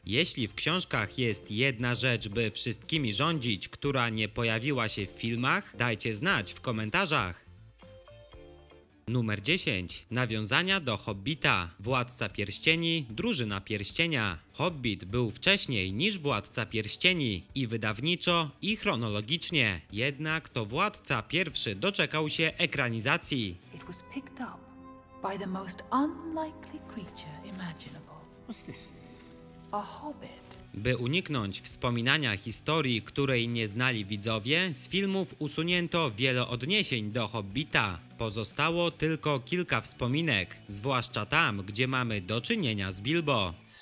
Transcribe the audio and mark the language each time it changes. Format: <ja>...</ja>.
<pl>Jeśli w książkach jest jedna rzecz, by wszystkimi rządzić, która nie pojawiła się w filmach, dajcie znać w komentarzach. Numer 10. Nawiązania do Hobbita. Władca Pierścieni, Drużyna Pierścienia. Hobbit był wcześniej niż Władca Pierścieni, i wydawniczo, i chronologicznie. Jednak to Władca pierwszy doczekał się ekranizacji.</pl> <en>It was picked up by the most unlikely creature imaginable. What's this? A hobbit.</en> <pl>By uniknąć wspominania historii, której nie znali widzowie, z filmów usunięto wiele odniesień do Hobbita. Pozostało tylko kilka wspominek, zwłaszcza tam, gdzie mamy do czynienia z Bilbo.</pl>